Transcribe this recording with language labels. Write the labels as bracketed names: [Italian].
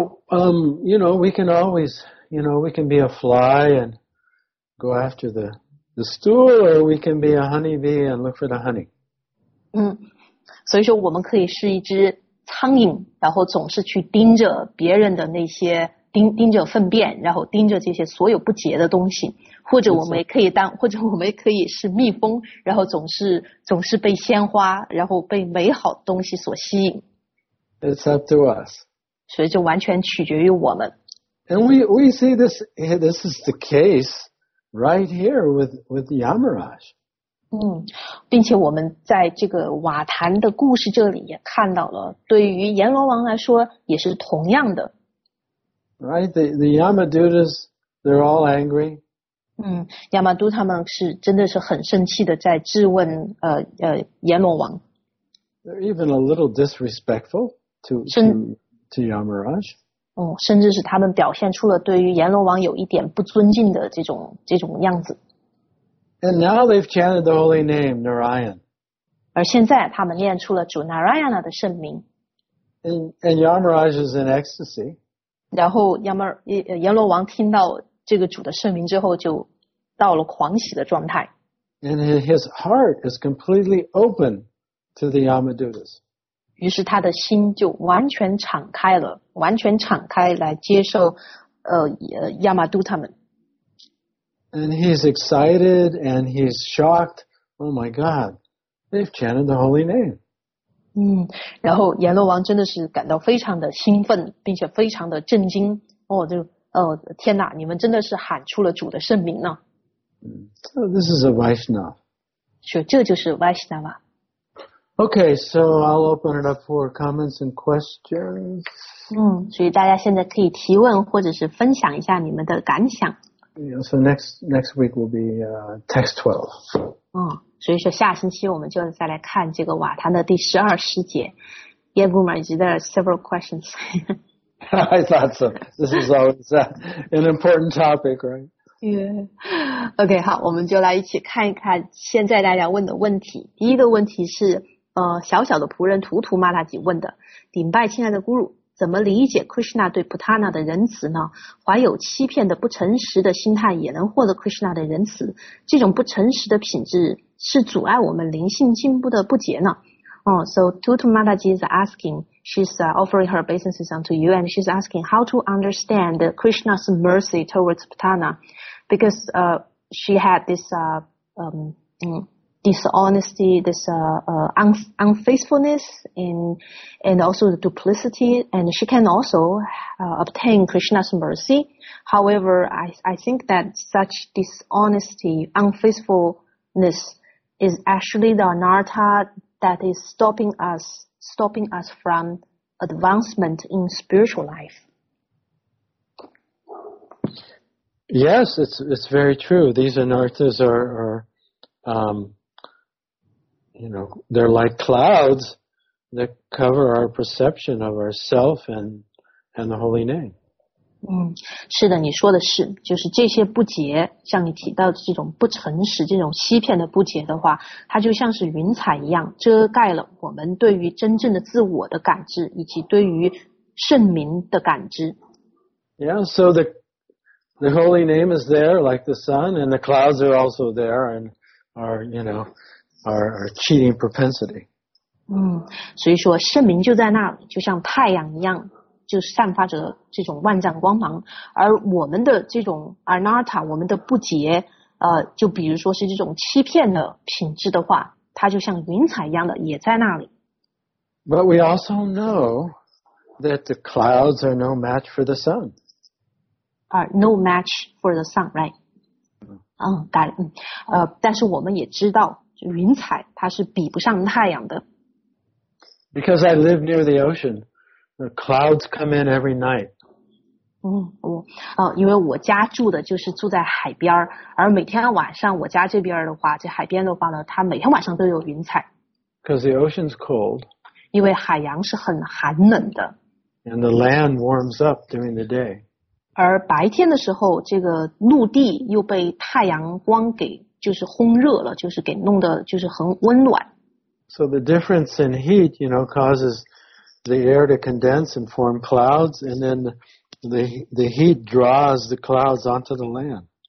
[English] So we can be a fly and go after the stool, or we can be a honeybee and look for the honey. [Chinese] 所以说我们可以是一只苍蝇，然后总是去盯着别人的那些盯着粪便，然后盯着这些所有不洁的东西，或者我们也可以是蜜蜂，然后总是被鲜花，然后被美好的东西所吸引。 [English] It's up to us. [Chinese] 所以就完全取决于我们。 [English] And we see this is the case right here with Yamaraj. [Chinese] 并且我们在这个瓦坛的故事这里也看到了，对于阎罗王来说也是同样的。 [English] Right, the Yamadutas, they're all angry. [Chinese] 亚马都他们是真的是很生气的在质问阎罗王。 [English] They're even a little disrespectful to Yamaraj. [Chinese] 甚至是他们表现出了对于阎罗王有一点不尊敬的这种样子。 [English] And now they've chanted the holy name, Narayan. [Chinese] 而现在他们念出了主 Narayana 的圣名。 [English] And Yamaraj is in ecstasy. [Chinese] 然后阎罗王听到这个主的圣名之后就到了狂喜的状态。 [English] And his heart is completely open to the Yamadutas. [Chinese] 于是他的心就完全敞开了，完全敞开来接受亚马都他们。 [English] And he's excited and he's shocked. Oh my God, they've chanted the holy name. [Chinese] 然后阎罗王真的是感到非常的兴奋，并且非常的震惊。天哪，你们真的是喊出了主的圣名呢。 [English] So this is a Vaishnava. [Chinese] 所以这就是 Vaishnava。 [English] Okay, so I'll open it up for comments and questions. [Chinese] 所以大家现在可以提问或者是分享一下你们的感想。 [English] Yeah, so next week will be text 12. [Chinese] 所以说下星期我们就再来看这个瓦坛的第十二诗节。 [English] Yeah, Boomer, there are several questions. I thought so. This is always an important topic, right? Yeah. Okay, [Chinese] 好，我们就来一起看一看现在大家问的问题。第一个问题是小小的仆人图图马拉吉问的，顶拜亲爱的咕噜，怎么理解 Krishna 对 Putana 的仁慈呢？怀有欺骗的不诚实的心态也能获得 Krishna 的仁慈，这种不诚实的品质是阻碍我们灵性进步的不解呢？ [English] So Tutu Mataji is asking, she's offering her obeisances unto you, and she's asking how to understand Krishna's mercy towards Putana, because she had this dishonesty, this unfaithfulness and also the duplicity, and she can also obtain Krishna's mercy. However, I think that such dishonesty, unfaithfulness is actually the anartha that is stopping us from advancement in spiritual life. Yes, it's very true. These anarthas are you know, they're like clouds that cover our perception of ourself and the holy name. [Chinese] 是的，你说的是，就是这些不洁，像你提到的这种不诚实、这种欺骗的不洁的话，它就像是云彩一样，遮盖了我们对于真正的自我的感知，以及对于圣名的感知。 [English] Yeah, so the holy name is there like the sun, and the clouds are also there and are, you know,our cheating propensity. [Chinese] 所以说圣名就在那里，就像太阳一样，就散发着这种万丈光芒，而我们的这种 anartha, 我们的不洁，就比如说是这种欺骗的品质的话，它就像云彩一样的也在那里。 [English] But we also know that the clouds are no match for the sun. Are no match for the sun, right? [Chinese] 但是我们也知道云彩它是比不上太阳的。 [English] Because I live near the ocean, the clouds come in every night. [Chinese] 因为我家住的就是住在海边，而每天晚上我家这边的话，这海边的话呢，它每天晚上都有云彩。 [English] Because the ocean's cold. [Chinese] 因为海洋是很寒冷的。 [English] And the land warms up during the day. [Chinese] 而白天的时候，这个陆地又被太阳光给就是烘热了，就是给弄的就是很温暖。 [English] So the difference in heat, you know, causes the air to condense and form clouds, and then the heat draws the clouds onto the land.